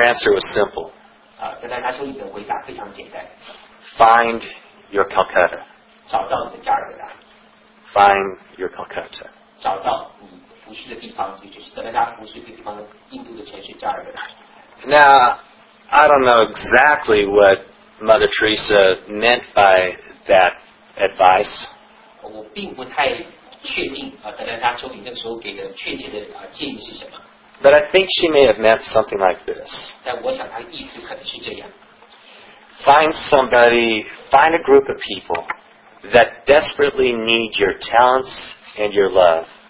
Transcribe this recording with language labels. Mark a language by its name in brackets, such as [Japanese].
[English] answer was simple. [Chinese] 德兰莎修女的回答非常简单。 [English] Find your Calcutta. [Chinese] 找到你的加尔各答。 [English] Find your Calcutta. [Chinese] 找到你服侍的地方，就是德兰莎服侍的地方，印度的城市加尔各答。 [English] Now, I don't know exactly what Mother Teresa meant by that advice. [Chinese] 我并不太确定德兰莎修女那时候给的确切的建议是什么。 [English] But I think she may have meant something like this. [Chinese] 但我想她的意思可能是这样。 [English] Find somebody, find a group of people that desperately need your talents and your love.